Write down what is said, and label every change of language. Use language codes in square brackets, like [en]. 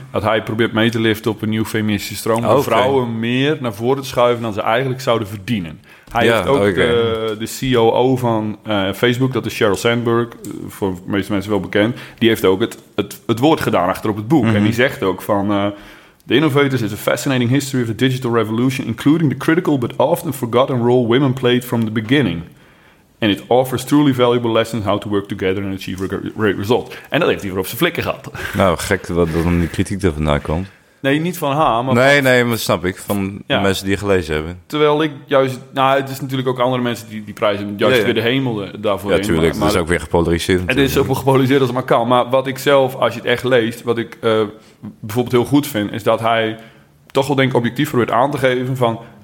[nl] Dat hij probeert mee te liften op een nieuw feministische stroom. Om vrouwen meer naar voren te schuiven dan ze eigenlijk zouden verdienen. Hij heeft ook de COO van Facebook, dat is Sheryl Sandberg, voor de meeste mensen wel bekend. Die heeft ook het woord gedaan achter op het boek. Mm-hmm. En die zegt ook van... [en] The Innovators is a fascinating history of the digital revolution, including the critical but often forgotten role women played from the beginning. And it offers truly valuable lessons how to work together and achieve great results. [nl] En dat heeft hij weer op zijn flikken gehad. Nou, gek dat dan die kritiek er vandaan komt. Nee, niet van haar, maar... Nee, dat snap ik. Van de mensen die gelezen hebben. Terwijl ik juist... Nou, het is natuurlijk ook andere mensen die prijzen juist weer de hemel daarvoor in. Ja, tuurlijk. Maar, dat is ook weer gepolariseerd. Het is zo gepolariseerd als het maar kan. Maar wat ik zelf, als je het echt leest, wat ik bijvoorbeeld heel goed vind, is dat hij toch wel denk ik objectief probeert aan te geven van...